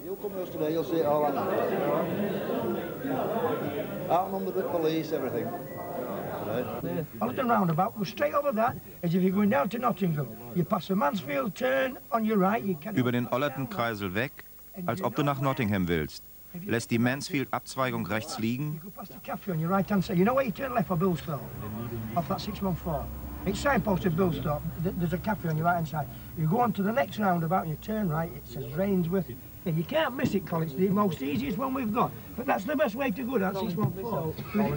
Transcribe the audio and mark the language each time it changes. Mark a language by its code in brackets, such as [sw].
[en] Look at the roundabout, go straight over that, as if you're going down to Nottingham. You pass the Mansfield turn on your right, you can't. [de] Über den Ollerton-Kreisel weg, als ob du nach Nottingham willst. Lässt die Mansfield-Abzweigung rechts liegen. [en] You go past the cafe on your right hand side. You know where you turn left for Billstow? Off that 614. It's signposted Billstow. There's a cafe on your right hand side. You go on to the next roundabout and you turn right, it says Rainsworth. And you can't miss it, Colin. It's the most easiest one we've got. But that's the best way to go, that's 614.